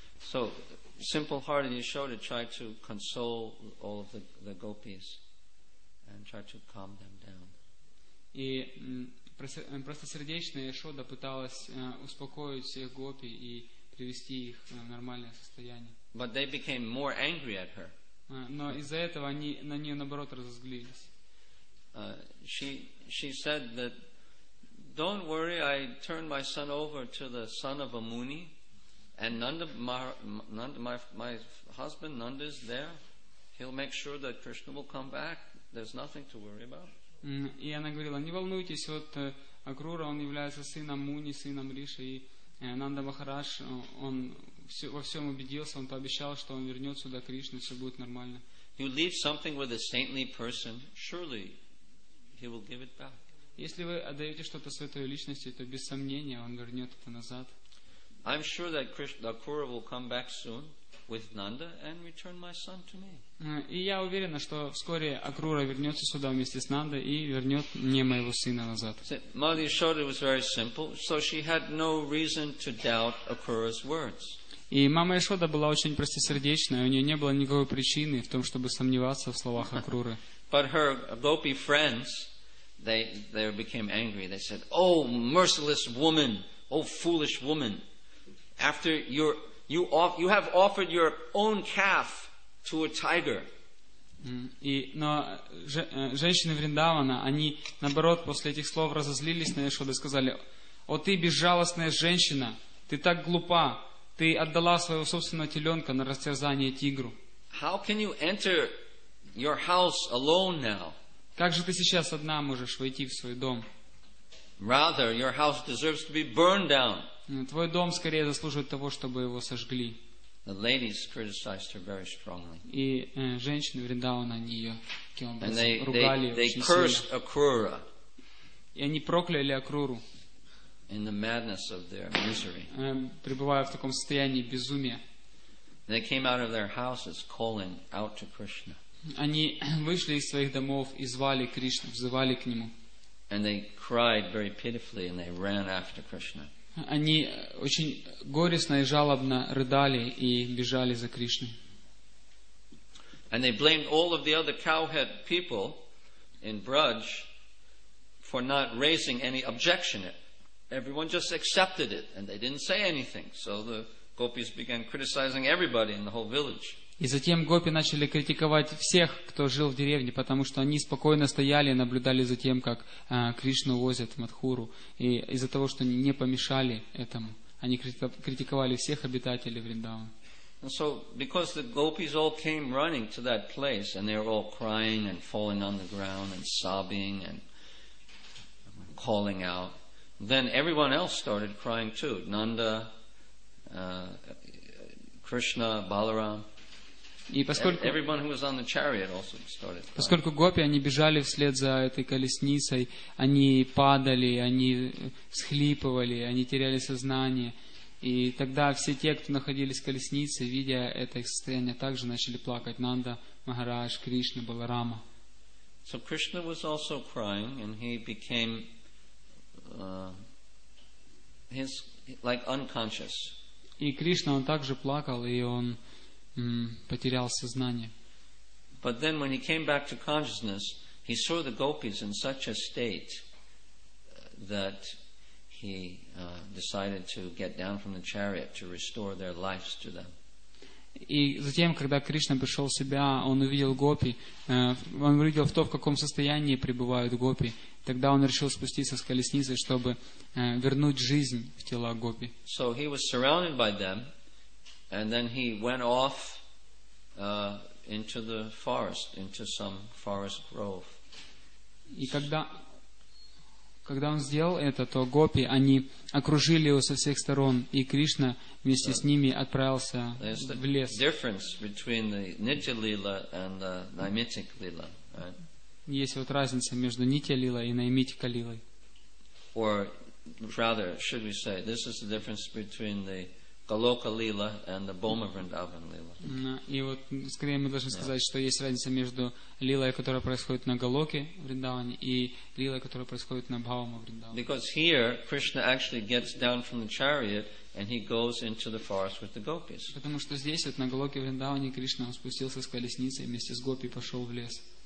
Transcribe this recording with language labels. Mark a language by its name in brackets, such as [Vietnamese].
[English] So, simple-hearted Yashoda tried to console all of the gopis and tried to calm them down. [Russian] И простосердечная Яшода пыталась успокоить всех гопи и привести их в нормальное состояние. [English] But they became more angry at her. [Russian] Но из-за этого они на нее наоборот разозлились. [English] She said that, "Don't worry, I turned my son over to the son of a Muni, and Nanda, my husband Nanda is there. He'll make sure that Krishna will come back. There's nothing to worry about." [Russian] И она говорила: "Не волнуйтесь, вот Акрура, он является сыном Муни, сыном Риши, и Нанда Махарадж, он во всем убедился, он пообещал, что он вернет сюда Кришну, все будет нормально." [English] You leave something with a saintly person, surely he will give it back. [Russian] Если вы отдаете что-то святой личности, то без сомнения он вернет это назад. [English] I'm sure that Akura will come back soon with Nanda and return my son to me. [Russian] И я уверена, что вскоре Акрура вернется сюда вместе с Нандой и вернет мне моего сына назад. [English] Mother Yashoda was very simple, so she had no reason to doubt Akura's words. [Russian] И мама Яшода была очень простосердечная, у нее не было никакой причины в том, чтобы сомневаться в словах Акруры. [English] But her gopi friends, they became angry. They said, "Oh, merciless woman! Oh, foolish woman! After you have offered your own calf to a tiger." [Russian] Но женщины Вриндавана, они наоборот после этих слов разозлились на Яшоду и сказали: "О, ты безжалостная женщина! Ты так глупа! Ты отдала своего собственного теленка на растерзание тигру. [English] How can you enter your house alone now? [Russian] Как же ты сейчас одна можешь войти в свой дом? [English] Rather, your house deserves to be burned down." [Russian] Твой дом скорее заслуживает того, чтобы его сожгли. [English] The ladies criticized her very strongly. [Russian] И женщины Вриндавана на нее ругали очень сильно. [English] They cursed Akrura. [Russian] И они прокляли Акруру. [English] In the madness of their misery. [Russian] Пребывая в таком состоянии безумия. [English] They came out of their houses calling out to Krishna. [Russian] Они вышли из своих домов и звали Кришну, взывали к нему. [English] And they cried very pitifully and they ran after Krishna. [Russian] Они очень горестно и жалобно рыдали и бежали за Кришной. [English] And they blamed all of the other cowherd people in Braj for not raising any objection. Everyone just accepted it and they didn't say anything. So the gopis began criticizing everybody in the whole village. [Russian] И затем гопи начали критиковать всех, кто жил в деревне, потому что они спокойно стояли и наблюдали за тем, как Кришну возят Матхуру. И из-за того, что они не помешали этому, они критиковали всех обитателей Вриндавана. [English] And so, because the gopis all came running to that place, and they were all crying and falling on the ground and sobbing and calling out, then everyone else started crying too. Nanda, Krishna, Balaram. [Russian] И поскольку, [English] everyone who was on the chariot also started crying. [Russian] Поскольку гопи, они бежали вслед за этой колесницей, они падали, они всхлипывали, они теряли сознание. И тогда все те, кто находились в колеснице, видя это их состояние, также начали плакать. Нанда, Махарадж, Кришна, Баларама. [English] So Krishna was also crying, and he became his like unconscious. [Russian] И Кришна, он также плакал, и он потерял сознание. [English] But then when he came back to consciousness, he saw the gopis in such a state that he decided to get down from the chariot to restore their lives to them. [Russian] И затем, когда Кришна пришел в себя, он увидел гопи, он увидел в то, в каком состоянии пребывают гопи. Тогда он решил спуститься с колесницы, чтобы вернуть жизнь в тела гопи. [English] So he was surrounded by them, and then he went off into the forest, into some forest grove. [Russian] И когда он сделал это, то гопи, они окружили его со всех сторон, и Кришна вместе с ними отправился в лес. [English] There's a difference between the Nitya Lila and the Naimittika Lila, right? [Russian] Есть вот разница между Нитья Лила и Наймитика Лилой. [English] Or rather, should we say, this is the difference between the Галока Лила and the Бома Вриндаван Лила. [Russian] И вот скорее мы должны сказать, что есть разница между Лилой, которая происходит на Галоке Вриндаване, и Лилой, которая происходит на Бхаума Вриндаване. [English] Because here Krishna actually gets down from the chariot and he goes into the forest with the gopis. [Russian] Потому что здесь вот на Галоке Вриндаване Кришна спустился с колесницы и вместе с гопи пошел в лес.